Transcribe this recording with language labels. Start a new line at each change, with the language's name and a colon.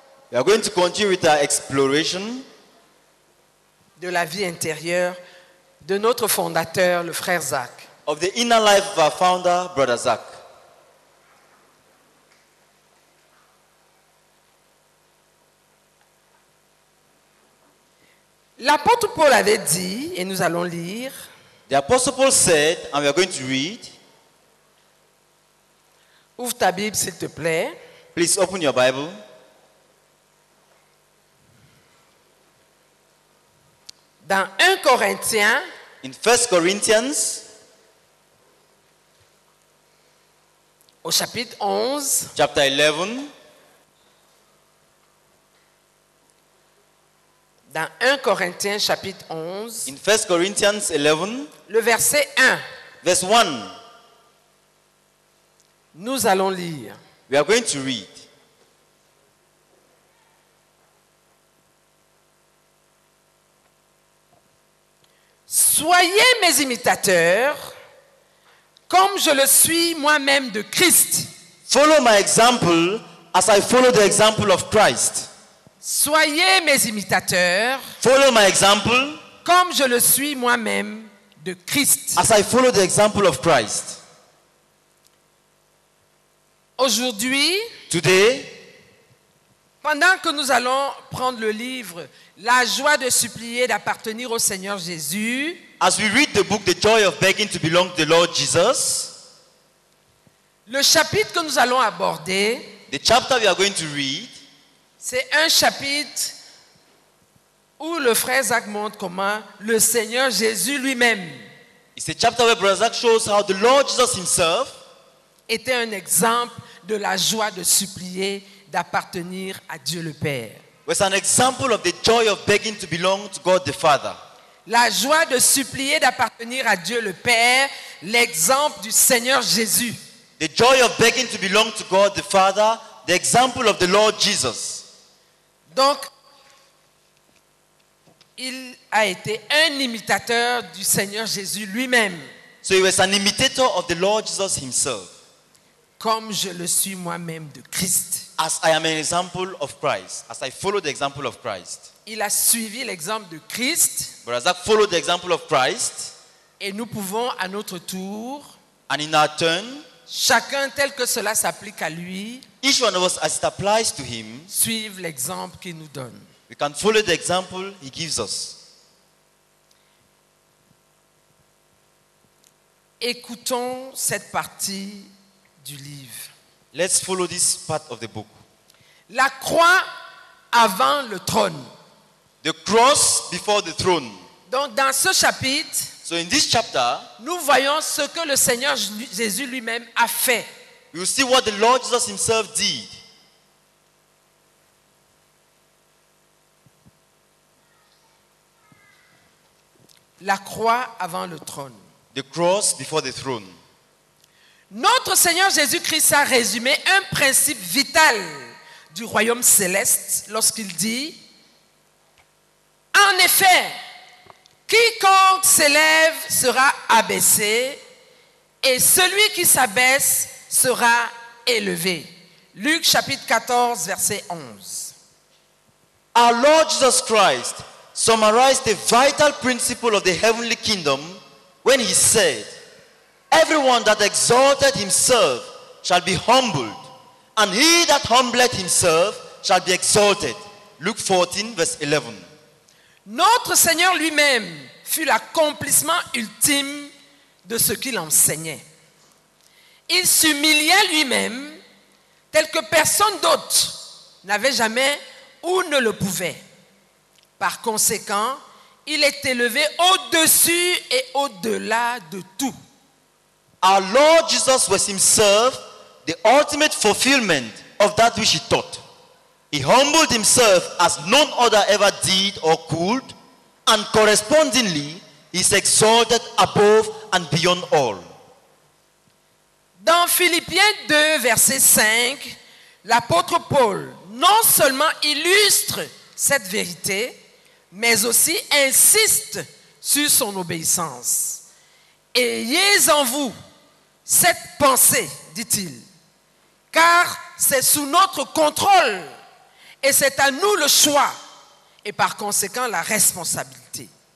English: We are going to continue with our exploration
French: de la vie intérieure de notre fondateur, le frère Zach.
English: Of the inner life of our founder, brother Zach.
French: L'apôtre Paul avait dit, et nous allons lire.
English: The apostle Paul said, and we are going to read.
French: Ouvre ta Bible, s'il te plaît.
English: Please open your Bible.
French: Dans 1 Corinthiens.
English: In 1 Corinthians.
French: Au chapitre 11.
English: Chapter 11.
French: Dans 1 Corinthiens, chapitre 11.
English: In 1 Corinthians 11.
French: Le verset 1.
English: Verse 1.
French: Nous allons lire.
English: We are going to read.
French: Soyez mes imitateurs, comme je le suis moi-même de Christ.
English: Follow my example as I follow the example of Christ.
French: Soyez mes imitateurs.
English: Follow my example.
French: Comme je le suis moi-même de Christ.
English: As I follow the example of Christ.
French: Aujourd'hui,
English: today,
French: pendant que nous allons prendre le livre La joie de supplier d'appartenir au Seigneur Jésus,
English: as we read the book The Joy of Begging to Belong to the Lord Jesus,
French: le chapitre que nous allons aborder,
English: the chapter we are going to read,
French: c'est un chapitre où le frère Zach montre comment le Seigneur Jésus lui-même,
English: it's a chapter where Brother Zach shows how the Lord Jesus himself
French: était un exemple de la joie de supplier d'appartenir à Dieu le Père.
English: Was an example of the joy of begging to belong to God the Father.
French: La joie de supplier d'appartenir à Dieu le Père, l'exemple du Seigneur Jésus.
English: The joy of begging to belong to God the Father, the example of the Lord Jesus.
French: Donc, il a été un imitateur du Seigneur Jésus lui-même.
English: So he was an imitator of the Lord Jesus himself.
French: Comme je le suis moi-même de Christ.
English: As I am an example of Christ, as I follow the example of Christ.
French: Il a suivi l'exemple de Christ.
English: Brother Zach followed the example of Christ.
French: Et nous pouvons à notre tour.
English: And in our turn.
French: Chacun tel que cela s'applique à lui.
English: Each one of us, as it applies to him.
French: Suivre l'exemple qu'il nous donne.
English: We can follow the example he gives us.
French: Écoutons cette partie du livre.
English: Let's follow this part of the book.
French: La croix avant le trône.
English: The cross before the throne.
French: Donc dans ce chapitre,
English: so in this chapter,
French: nous voyons ce que le Seigneur Jésus lui-même a fait.
English: We will see what the Lord Jesus himself did.
French: La croix avant le trône.
English: The cross before the throne.
French: Notre Seigneur Jésus-Christ a résumé un principe vital du royaume céleste lorsqu'il dit « En effet, quiconque s'élève sera abaissé et celui qui s'abaisse sera élevé. » Luc chapitre 14, verset 11.
English: Our Lord Jesus Christ summarized the vital principle of the heavenly kingdom when he said, Everyone that exalted himself shall be humbled, and he that humbleth himself shall be exalted. Luke 14, verse 11.
French: Notre Seigneur lui-même fut l'accomplissement ultime de ce qu'il enseignait. Il s'humiliait lui-même tel que personne d'autre n'avait jamais ou ne le pouvait. Par conséquent, il est élevé au-dessus et au-delà de tout.
English: Our Lord Jesus was himself the ultimate fulfillment of that which he taught. He humbled himself as none other ever did or could, and correspondingly, he is exalted above and beyond all.
French: Dans Philippiens 2, verset 5, L'apôtre Paul non seulement illustre cette vérité, mais aussi insiste sur son obéissance. Ayez en vous cette pensée, dit-il, car c'est sous notre contrôle et c'est à nous le choix et par conséquent la responsabilité.